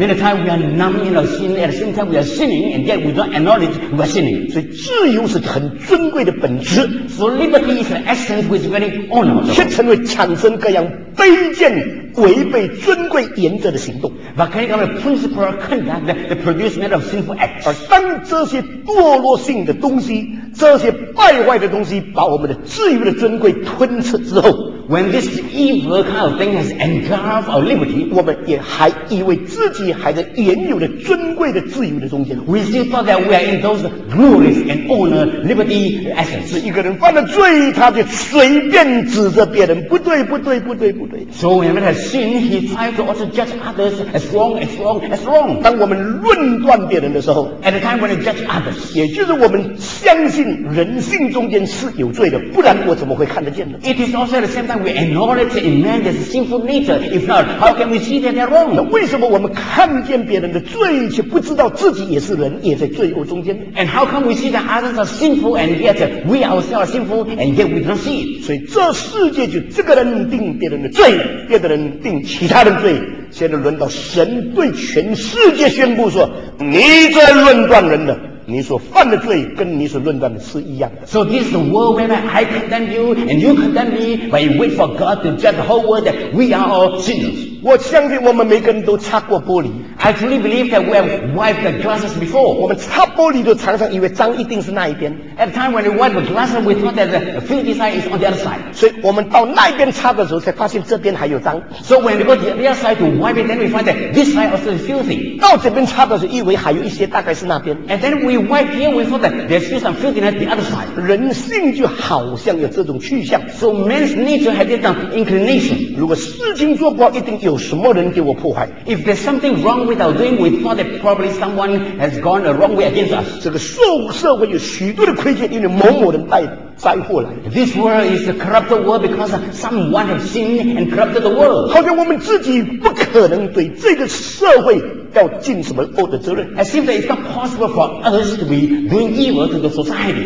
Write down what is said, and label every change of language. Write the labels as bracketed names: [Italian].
[English] Many times we are numb in our sin, at the same time we are sinning, and yet we don't acknowledge we are sinning. [Chinese] 所以自由是很尊贵的本质。 [English] So liberty is an essence which is very honorable. [Chinese] 却成为产生各样卑贱。违背尊贵原则的行动 [English] But can you come to the principle of conduct that produces men of sinful acts? [Chinese] 而当这些堕落性的东西这些败坏的东西把我们的自由的尊贵吞噬之后 [English] When this evil kind of thing has engulfed our liberty [Chinese] 我们也还以为自己还在原有的尊贵的自由的中间 [English] We still thought that we are in those glorious and honor liberty essence [Chinese] 一个人犯了罪他就随便指责别人不对不对不对不对 [English] So when man has sinned he tried to also judge others as wrong as wrong as wrong [Chinese] 当我们论断别人的时候 [English] At the time when we judge others [Chinese] 也就是我们相信人性中间是有罪的，不然我怎么会看得见呢 [English] ？It is also at the same time we acknowledge in man there's a sinful nature. If not, how can we see that they're wrong? [Chinese] 那为什么我们看见别人的罪，却不知道自己也是人，也在罪恶中间 [English] ？And how come we see that others are sinful and yet we ourselves are sinful and yet we don't see? [Chinese] 所以这世界就这个人定别人的罪，别的人定其他人的罪。现在轮到神对全世界宣布说：“你在论断人的。” 你所犯的罪跟你所论断的是一样的。 [English] So this is the world where I condemn you and you condemn me, but you wait for God to judge the whole world that we are all sinners. [Chinese] 我相信我们每个人都擦过玻璃。 [English] I truly believe that we have wiped the glasses before. [Chinese] 我们擦玻璃都常常以为脏一定是那一边。 [English] At the time when we wipe the glasses, we thought that the filthy side is on the other side. [Chinese] 所以我们到那边擦的时候，才发现这边还有脏。 [English] So when we go to the other side to wipe it, then we find that this side also is filthy. [Chinese] 到这边擦的时候，以为还有一些，大概是那边。 [English] And then we wipe here, we thought that there's still some filthiness the other side. [Chinese] 人性就好像有这种趋向。 [English] So man's nature has this kind of inclination. [Chinese] 如果事情做不好，一定有什么人给我破坏。 [English] If there's something wrong with our doing, we thought that probably someone has gone the wrong way against us. [Chinese] 这个社会有许多的亏欠，因为某某人带的。灾祸来。 [English] This world is a corrupted world because someone has sinned and corrupted the world. [Chinese] 好像我们自己不可能对这个社会要尽什么恶的责任。 [English] As if it's not possible for us to be doing evil to the society.